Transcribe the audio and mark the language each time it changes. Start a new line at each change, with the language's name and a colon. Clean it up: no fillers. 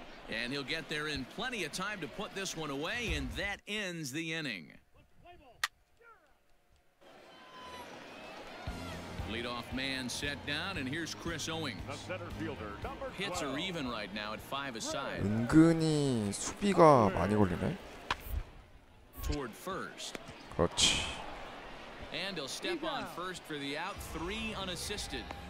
English: And he'll get there in plenty of time to put this one away, and that ends the inning. Lead off man set down and here's Chris Owings. Hits are even right now at 5 aside.
Korean: 은근히 수비가 많이 걸리네.
English: Toward first.
Korean: 그렇지.
English: And he'll step on first for the out, 3 unassisted.